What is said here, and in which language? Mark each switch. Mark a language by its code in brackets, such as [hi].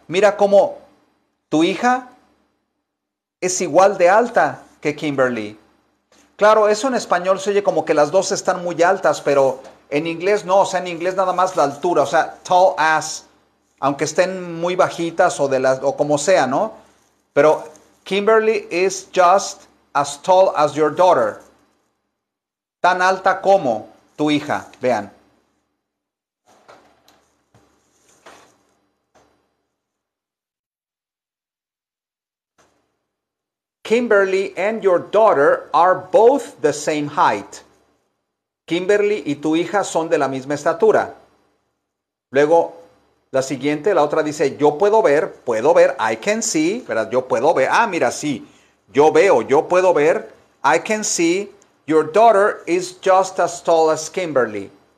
[es] Mira cómo tu hija es igual de alta que Kimberly. Claro, eso en español se oye como que las dos están muy altas, pero en inglés no, o sea, en inglés nada más la altura, o sea, [en] tall as, [es] aunque estén muy bajitas o de las o como sea, ¿no? [en] Pero Kimberly is just as tall as your daughter. [es] Tan alta como tu hija, vean. [en] Kimberly and your daughter are both the same height. [es] Kimberly y tu hija son de la misma estatura. Luego, la siguiente, la otra dice, yo puedo ver, [en] I can see, [es] ¿verdad? Yo puedo ver, ah, mira, sí, yo veo, yo puedo ver, [en] I can see, your daughter is just as tall as Kimberly.